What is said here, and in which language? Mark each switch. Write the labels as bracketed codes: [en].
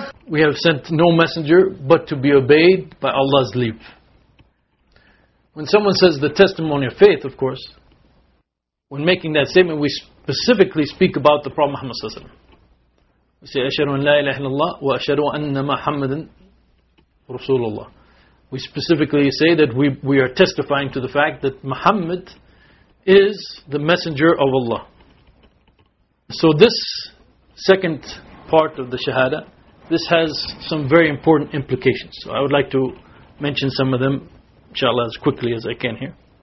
[en] We have sent no messenger but to be obeyed by Allah's leave. When someone says the testimony of faith, of course, when making that statement, we specifically speak about the Prophet Muhammad sallallahu alaihi wasallam. We say, [ar] أَشْهَدُ أَنْ لَا إِلَهَ إِلَّا اللَّهُ وَأَشْهَدُ أَنَّ مُحَمَّدًا رَسُولُ اللَّهِ. [en] We specifically say that we are testifying to the fact that Muhammad is the messenger of Allah. So this second part of the Shahada, this has some very important implications. So I would like to mention some of them, inshallah, as quickly as I can here.